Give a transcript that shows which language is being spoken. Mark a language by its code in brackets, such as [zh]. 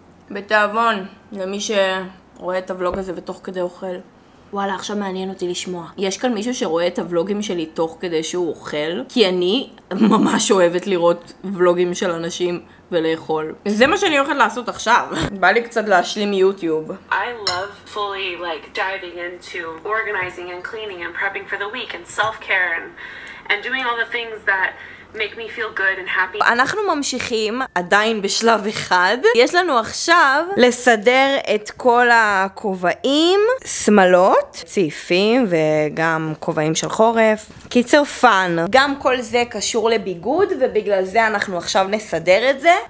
[he] בתאבון, למי שרואה את הוולוג הזה ותוך כדי אוכל. וואלה, עכשיו מעניין אותי לשמוע. יש כאן מישהו שרואה את הוולוגים שלי תוך כדי שהוא אוכל? כי אני ממש אוהבת לראות וולוגים של אנשים ולאכול. זה מה שאני הולכת לעשות עכשיו. בא לי קצת להשלים יוטיוב. [en] I love fully like diving into organizing and cleaning and prepping for the week and self-care and doing all the things that make me feel good and happy. [he] אנחנו ממשיכים עדיין בשלב אחד. יש לנו עכשיו לסדר את כל הכובעים, סמלות, צעיפים וגם כובעים של חורף. קיצר פן. גם כל זה קשור לביגוד ובגלל זה אנחנו עכשיו נסדר את זה.